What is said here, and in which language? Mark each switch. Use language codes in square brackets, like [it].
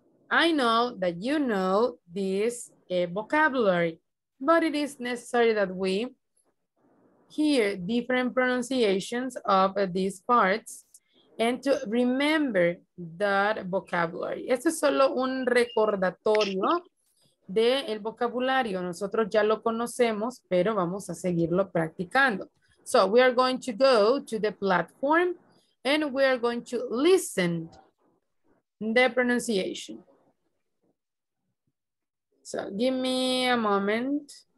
[en] I know that you know this vocabulary, but it is necessary that we hear different pronunciations of these parts and to remember that vocabulary. [es] Esto es solo un recordatorio del vocabulario. Nosotros ya lo conocemos, pero vamos a seguirlo practicando. [en] So we are going to go to the platform and we are going to listen the pronunciation. So give me a moment.